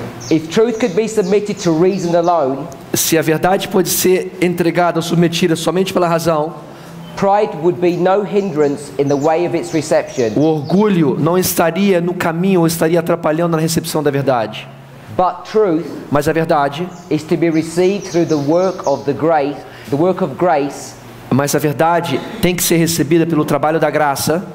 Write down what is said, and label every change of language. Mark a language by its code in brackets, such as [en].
[en] If truth could be submitted to reason alone, [pt] se a verdade pode ser entregada ou submetida somente pela razão, [en] pride would be no hindrance in the way of its reception. [pt] O orgulho não estaria no caminho ou estaria atrapalhando na recepção da verdade. [en] But truth, [pt] mas a verdade, [en] is to be received through the work of the grace, the work of grace. [pt] Mas a verdade tem que ser recebida pelo trabalho da graça,